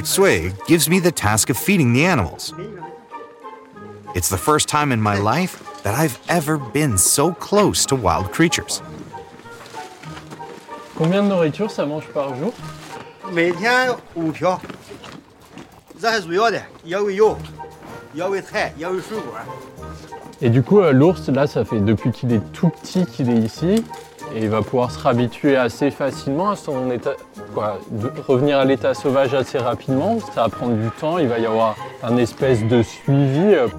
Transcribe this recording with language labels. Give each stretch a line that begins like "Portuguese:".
English: Tsui gives me the task of feeding the animals. It's the first time in my life that I've ever been so close to wild creatures.
French: Combien de nourriture ça mange par jour?
Chinese: 每天五条，这还主要的，要喂肉，要喂菜，要喂水果。
French: Et du coup, l'ours là, ça fait depuis qu'il est tout petit qu'il est ici, et il va pouvoir se réhabituer assez facilement à son état, quoi, de revenir à l'état sauvage assez rapidement. Ça va prendre du temps, il va y avoir un espèce de suivi.